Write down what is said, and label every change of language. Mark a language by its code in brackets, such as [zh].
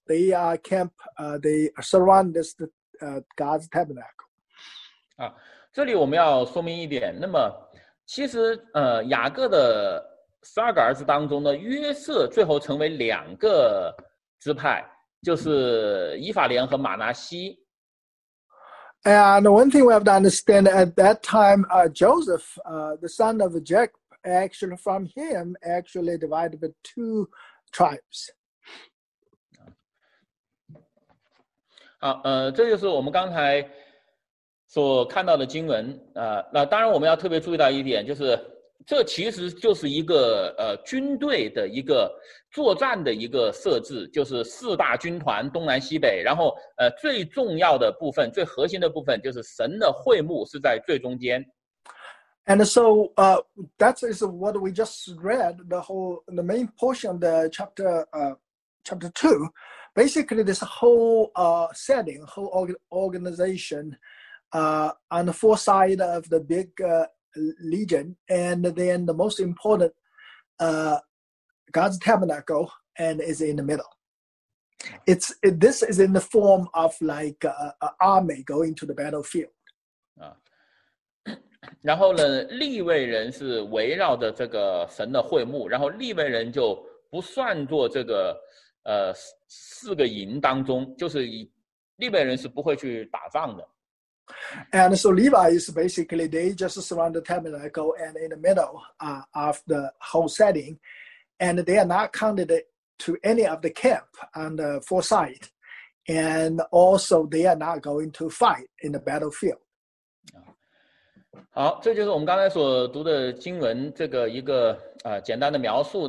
[en] They are camp, they surround this God's tabernacle. [zh] 这里我们要说明一点，那么其实雅各的十二个儿子当中呢，约瑟最后成为两个支派，就是以法莲和马拿西。 [en] And one thing we have to understand at that time, Joseph, the son of Jacob, actually from him, actually divided the two tribes. [zh] 这就是我们刚才所看到的经文。那当然我们要特别注意到一点，就是这其实就是一个军队的一个作战的一个设置，就是四大军团东南西北，然后最重要的部分，最核心的部分，就是神的会幕是在最中间。 [en] And so that is what we just read, the whole the main portion of the chapter 2. Basically, this whole setting, whole organization on the four side of the big legion, and then the most important God's tabernacle and is in the middle. This is in the form of like an army going to the battlefield. [zh] 然后呢，利未人是围绕着这个神的会幕，然后利未人就不算作这个四个营当中，就是利未人是不会去打仗的。 [en] And so Levi is basically they just surround the tabernacle and in the middle of the whole setting, and they are not counted to any of the camp on the four side, and also they are not going to fight in the battlefield. [zh] 好，这就是我们刚才所读的经文这个一个简单的描述。